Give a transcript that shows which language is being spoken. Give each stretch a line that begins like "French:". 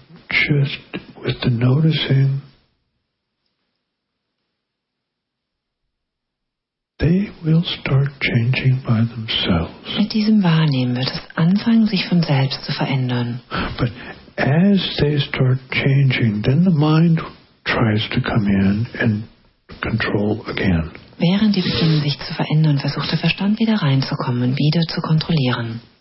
English: just with the noticing, they will start changing by themselves.
German: Mit diesem Wahrnehmen wird es anfangen, sich von selbst zu verändern.
English: But as they start changing, then the mind tries to come in and control again.
German: Während die beginnen, sich zu verändern, versucht der Verstand wieder reinzukommen und wieder zu kontrollieren.